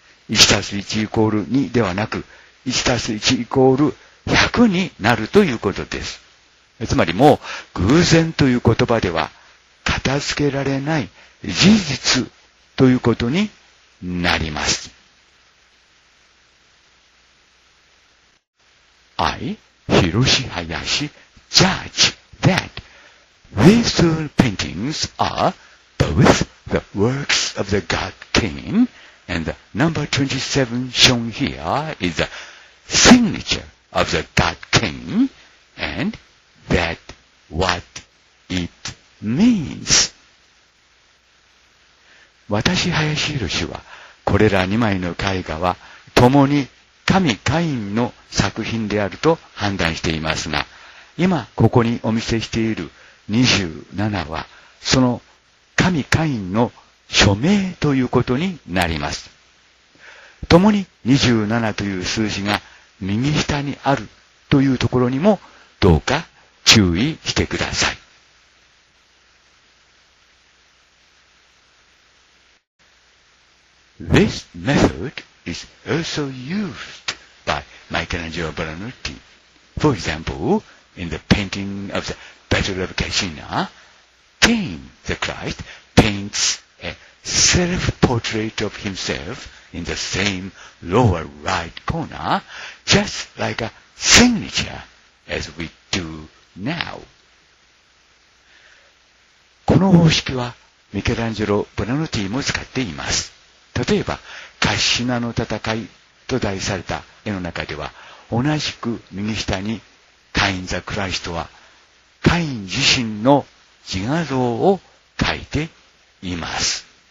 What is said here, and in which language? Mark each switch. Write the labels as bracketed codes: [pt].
[ja] 1たす1イコール2ではなく1たす1イコール100になるということです。つまりもう偶然という言葉では片付けられない事実ということになります。 [en] I, Hiroshi Hayashi, judge that these two paintings are both the works of the God King and the number 27 shown here is the signature of the God King andThat what it means. [ja] 私、林浩氏は、これら2枚の絵画は、共に神カインの作品であると判断していますが、今ここにお見せしている27は、その神カインの署名ということになります。共に27という数字が右下にあるというところにも、どうか、注意してください。 [en] This method is also used by Michelangelo Buonarroti. For example, in the painting of the Battle of Cascina, Cain the Christ paints a self-portrait of himself in the same lower right corner, just like a signature as we do now。 [ja] この方式はミケランジェロ・ブラノティも使っています。例えばカッシナの戦いと題された絵の中では、同じく右下にカイン・ザ・クライストはカイン自身の自画像を描いています。